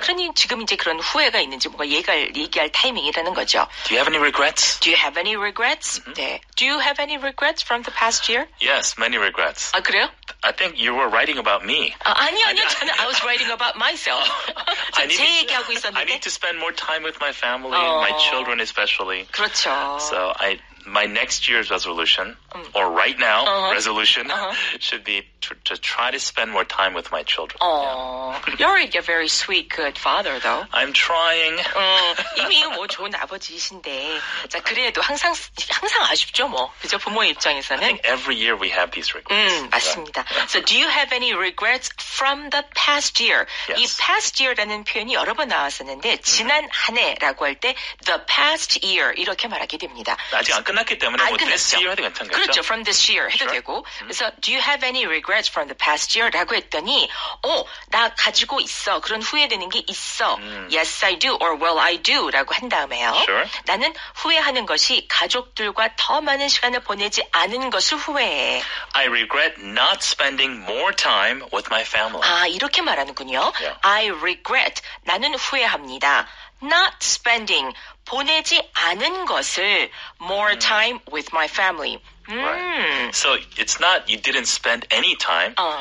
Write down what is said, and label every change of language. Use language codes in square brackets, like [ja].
[ko] 그러니 지금 이제 그런 후회가 있는지 뭔가 얘기할 타이밍이라는 거죠. [en] Do you have any regrets? Do you have any regrets? [ko] Mm-hmm. 네. [en] Do you have any regrets from the past year? Yes, many regrets. Regrets. [ko] 아, 그래요? [en] I think you were writing about me. [ko] 아니요. 저는 [en] I was writing about myself. [ko] 제 얘기하고 있었는데. [en] I need to spend more time with my family, my children especially. [ko] 그렇죠. [en] So my next year's resolution, or right now resolution, should be to try to spend more time with my children. You're a very sweet, good father, though. I'm trying. [ko] 이미 뭐 좋은 아버지이신데, 자 그래도 항상 아쉽죠, 뭐 그죠 부모의 입장에서는. [en] I think every year we have these regrets. [ko] 맞습니다. [en] So do you have any regrets from the past year? Yes. [ko] 이 past year라는 표현이 여러 번 나왔었는데 지난 한 해라고 할 때 the past year 이렇게 말하게 됩니다. 아직 안 끝났기 때문에 안 끝났죠. [en] This year [ko] 해도 괜찮겠죠? 그렇죠. [en] From this year [ko] 해도 [en] sure. [ko] 되고. 그래서 [en] do you have any regrets from the past year? [ko] 라고 했더니 나 가지고 있어. 그런 후회되는 게 있어. [en] Yes, I do. Or well, I do. [ko] 라고 한 다음에요. [en] Sure. [ko] 나는 후회하는 것이 가족들과 더 많은 시간을 보내지 않은 것을 후회해. [en] I regret not spending more time with my family. [ko] 아, 이렇게 말하는군요. [en] Yeah. I regret. [ko] 나는 후회합니다. [en] Not spending. [ko] 보내지 않은 것을 [en] more time with my family. Right. So it's not you didn't spend any time.